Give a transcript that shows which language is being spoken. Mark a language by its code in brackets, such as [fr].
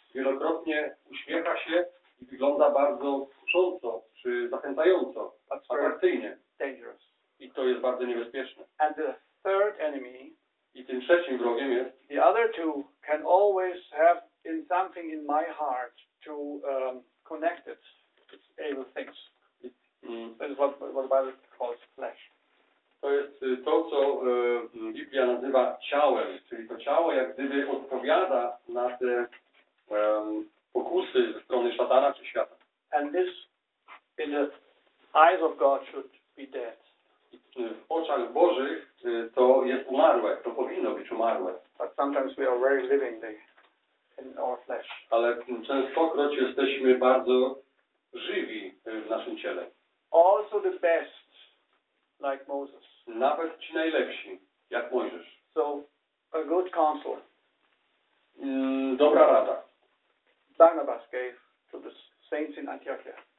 [pl] Wielokrotnie uśmiecha się i wygląda bardzo kusząco, czy zachęcająco, atrakcyjnie. [en] Dangerous. [pl] I to jest bardzo niebezpieczne. [en] And the third enemy. [pl] I tym trzecim wrogiem jest. [en] The other two can always have in something in my heart to connect it to evil things. That is what the Bible calls flesh. [pl] To jest to, co Biblia nazywa ciałem, czyli to ciało jak gdyby odpowiada na te pokusy ze strony szatana czy świata. [en] And this in the eyes of God should be dead. [pl] W oczach Bożych to jest umarłe, to powinno być umarłe. [en] But sometimes we are very living in our flesh. [pl] Ale częstokroć jesteśmy bardzo żywi w naszym ciele. [en] Also the best. Like Moses. [pl] Nawet ci najlepsi, jak Mojżesz. [en] So, a good counselor. [pl] Dobra rada. [en] Barnabas gave to the saints in Antiochia.